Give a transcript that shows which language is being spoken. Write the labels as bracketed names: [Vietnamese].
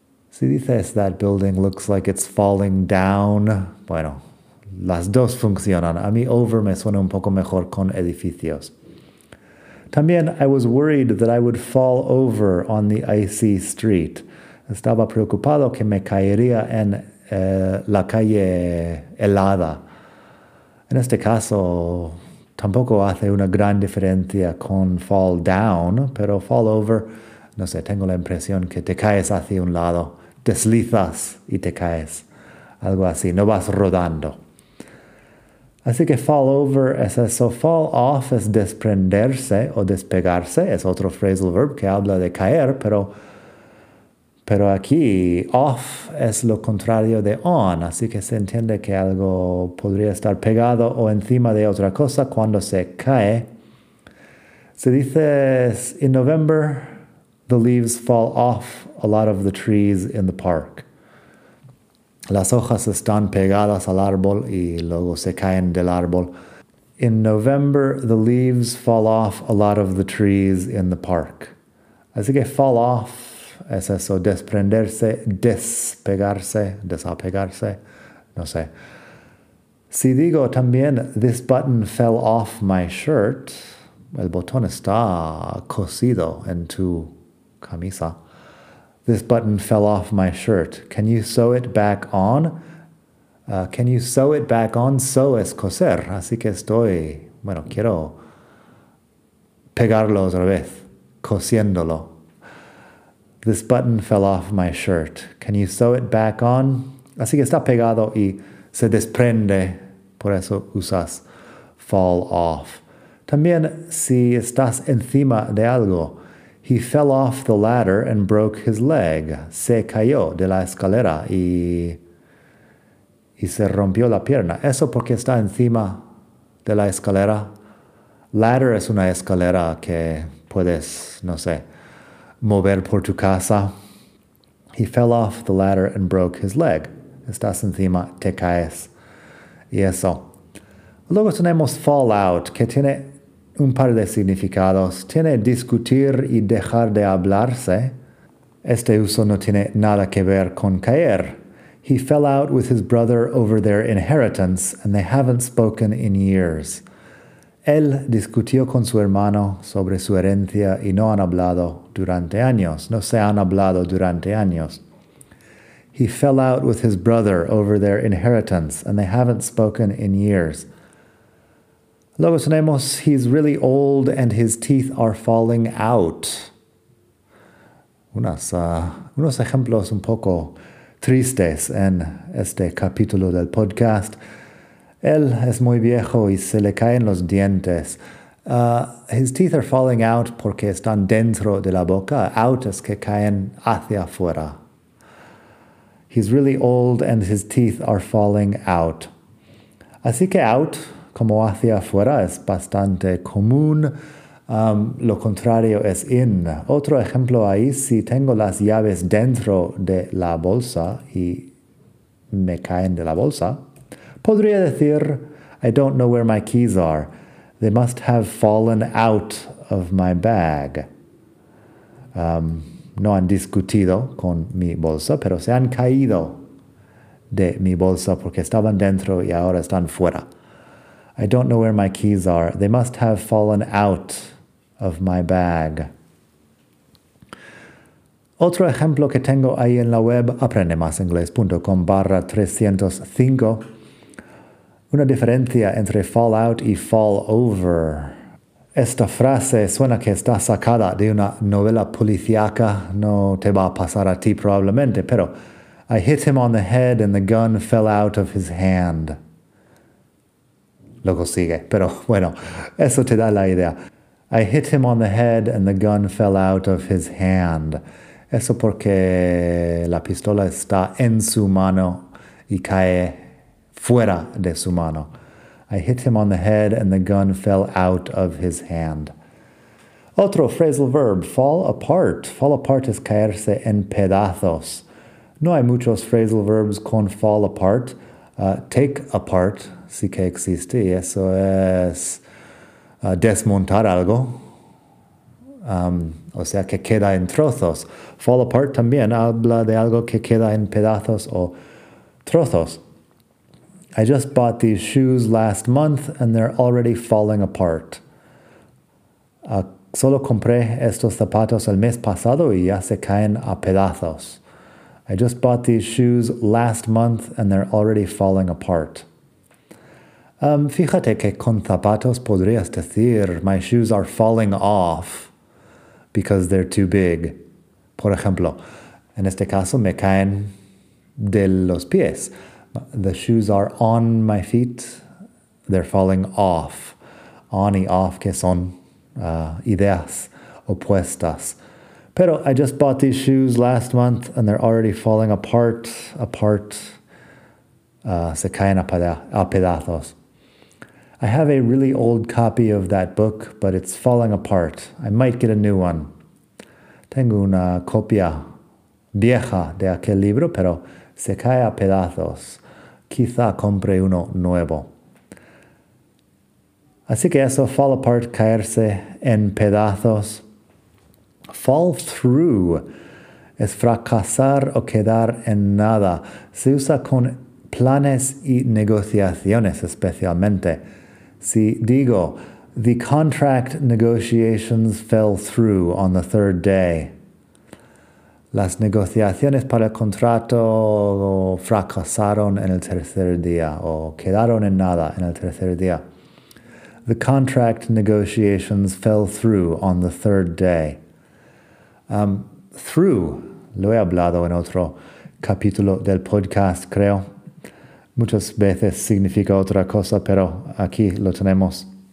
[Spanish] Si dices [English] that building looks like it's falling down. [Spanish] Bueno, las dos funcionan. A mí over me suena un poco mejor con edificios. También, [English] I was worried that I would fall over on the icy street. [Spanish] Estaba preocupado que me caería en la calle helada. En este caso, tampoco hace una gran diferencia con fall down, pero fall over, no sé, tengo la impresión que te caes hacia un lado, deslizas y te caes, algo así, no vas rodando. Así que fall over es eso, fall off es desprenderse o despegarse, es otro phrasal verb que habla de caer, pero aquí off es lo contrario de on, así que se entiende que algo podría estar pegado o encima de otra cosa cuando se cae. Se dice, [English] in November, the leaves fall off a lot of the trees in the park. [Spanish] Las hojas están pegadas al árbol y luego se caen del árbol. [English] In November, the leaves fall off a lot of the trees in the park. [Spanish] Así que fall off es eso, desprenderse, despegarse, desapegarse, no sé. Si digo también, [English] this button fell off my shirt, [Spanish] el botón está cosido en tu camisa. [English] This button fell off my shirt. Can you sew it back on? Can you sew it back on? Sew [Spanish] es coser. Así que estoy, bueno, quiero pegarlo otra vez, cosiéndolo. [English] This button fell off my shirt. Can you sew it back on? [Spanish] Así que está pegado y se desprende. Por eso usas fall off. También si estás encima de algo. [English] He fell off the ladder and broke his leg. [Spanish] Se cayó de la escalera y se rompió la pierna. Eso porque está encima de la escalera. Ladder es una escalera que puedes, no sé, mover por tu casa. [English] He fell off the ladder and broke his leg. [Spanish] Estás encima, te caes. Y eso. Luego tenemos fall out, que tiene un par de significados. Tiene discutir y dejar de hablarse. Este uso no tiene nada que ver con caer. [English] He fell out with his brother over their inheritance and they haven't spoken in years. [Spanish] Él discutió con su hermano sobre su herencia y no han hablado durante años. No se han hablado durante años. [English] He fell out with his brother over their inheritance and they haven't spoken in years. [Spanish] Luego tenemos, [English] he's really old and his teeth are falling out. [Spanish] Unos ejemplos un poco tristes en este capítulo del podcast. Él es muy viejo y se le caen los dientes. [English] His teeth are falling out [Spanish] porque están dentro de la boca. Out es que caen hacia afuera. [English] He's really old and his teeth are falling out. [Spanish] Así que out, como hacia afuera, es bastante común. Lo contrario es in. Otro ejemplo ahí, si tengo las llaves dentro de la bolsa y me caen de la bolsa, podría decir, [English] I don't know where my keys are. They must have fallen out of my bag. [Spanish] No han discutido con mi bolsa, pero se han caído de mi bolsa porque estaban dentro y ahora están fuera. [English] I don't know where my keys are. They must have fallen out of my bag. [Spanish] Otro ejemplo que tengo ahí en la web, aprendemasingles.com/305. Una diferencia entre fall out y fall over. Esta frase suena que está sacada de una novela policiaca. No te va a pasar a ti probablemente, pero [English] I hit him on the head and the gun fell out of his hand. [Spanish] Luego sigue, pero bueno, eso te da la idea. [English] I hit him on the head and the gun fell out of his hand. [Spanish] Eso porque la pistola está en su mano y cae fuera de su mano. [English] I hit him on the head and the gun fell out of his hand. [Spanish] Otro phrasal verb, fall apart. Fall apart es caerse en pedazos. No hay muchos phrasal verbs con fall apart. Take apart sí que existe y eso es desmontar algo. O sea, que queda en trozos. Fall apart también habla de algo que queda en pedazos o trozos. [English] I just bought these shoes last month and they're already falling apart. [Spanish] Solo compré estos zapatos el mes pasado y ya se caen a pedazos. [English] I just bought these shoes last month and they're already falling apart. [Spanish] Fíjate que con zapatos podrías decir, [English] my shoes are falling off because they're too big. [Spanish] Por ejemplo, en este caso me caen de los pies. [English] The shoes are on my feet, they're falling off. [Spanish] On y off, que son ideas opuestas. Pero [English] I just bought these shoes last month and they're already falling apart, [Spanish] se caen a pedazos. [English] I have a really old copy of that book, but it's falling apart. I might get a new one. [Spanish] Tengo una copia vieja de aquel libro, pero se cae a pedazos. Quizá compre uno nuevo. Así que eso, fall apart, caerse en pedazos. Fall through es fracasar o quedar en nada. Se usa con planes y negociaciones especialmente. Si digo, [English] the contract negotiations fell through on the third day. [Spanish] Las negociaciones para el contrato fracasaron en el tercer día o quedaron en nada en el tercer día. [English] The contract negotiations fell through on the third day. [Spanish] Through, lo he hablado en otro capítulo del podcast, creo. Muchas veces significa otra cosa, pero aquí lo tenemos.